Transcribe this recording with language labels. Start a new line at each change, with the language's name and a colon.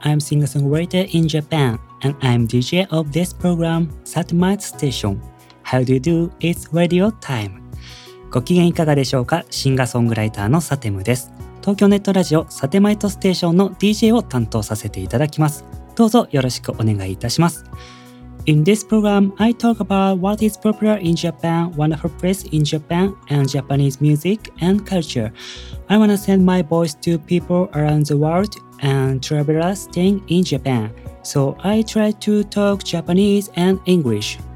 English: I'm singer-songwriter in Japan, and I'm DJ of this program, Satamite Station. How do you do? It's radio time.
Japanese: ご機嫌いかがでしょうか？シンガーソングライターのサテムです。東京ネットラジオ、サテマイトステーションの DJ を担当させていただきます。どうぞよろしくお願いいたします。
English: In this program, I talk about what is popular in Japan, wonderful place in Japan, and Japanese music and culture. I wanna send my voice to people around the world and travelers staying in Japan. So I try to talk Japanese and English.